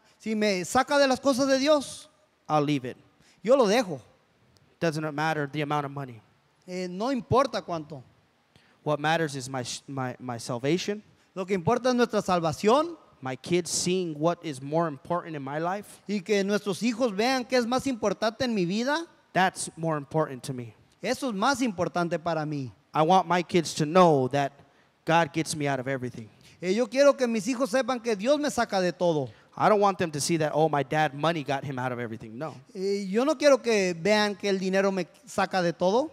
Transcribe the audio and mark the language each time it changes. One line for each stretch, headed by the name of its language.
Spanish: si me saca de las cosas de Dios,
English: I'll leave it.
Spanish: Yo lo dejo.
English: Doesn't matter the amount of money.
Spanish: No importa cuánto.
English: What matters is my salvation.
Spanish: Lo que importa es nuestra salvación.
English: My kids seeing what is more important in my life.
Spanish: Y que nuestros hijos vean qué es más importante en mi vida.
English: That's more important to me.
Spanish: Eso es más importante para mí.
English: I want my kids to know that God gets me out of everything.
Spanish: Yo quiero que mis hijos sepan que Dios me saca de todo.
English: I don't want them to see that, oh, my dad money got him out of everything.
Spanish: No. Yo no quiero que vean que el dinero me saca de todo.